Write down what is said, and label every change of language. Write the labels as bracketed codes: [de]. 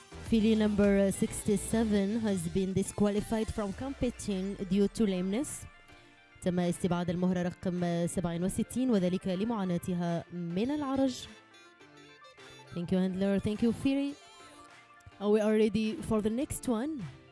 [en] Philly number 67 has been disqualified from competing due to lameness. [ar] تم استبعاد المهرة رقم 67 وذلك لمعاناتها من العرج. [en] Thank you handler, thank you Philly. Are we are ready for the next one?